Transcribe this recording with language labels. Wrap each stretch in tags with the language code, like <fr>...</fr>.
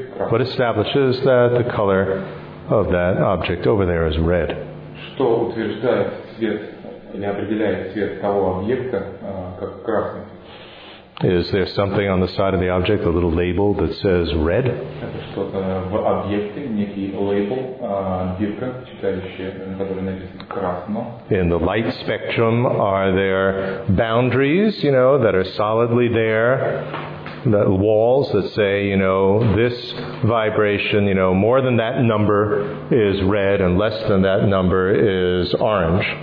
<en>What establishes that the color of that object over there is red?</en> <ru>Что утверждает цвет или определяет цвет того объекта как красный?</ru> <en>Is there something on the side of the object, a little label that says red?</en> <ru>Это что-то в объекте, некий лейбл, бирка, читающая, на которой написано красно.</ru> <en>In the light spectrum, are there boundaries, you know, that are solidly there? The walls that say, you know, this vibration, you know, more than that number is red and less than that number is orange.</en>